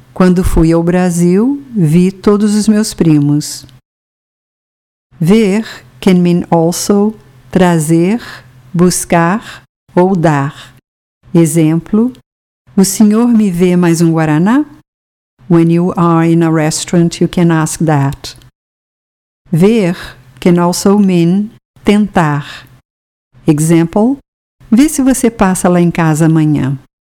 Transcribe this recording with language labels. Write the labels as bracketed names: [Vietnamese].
[Portuguese] Quando fui ao Brasil, vi todos os meus primos. [English] Ver can mean also [Portuguese] trazer, buscar ou dar. Exemplo, o senhor me vê mais um Guaraná? [English] When you are in a restaurant, you can ask that. Ver can also mean tentar. Example, [Portuguese] vê se você passa lá em casa amanhã.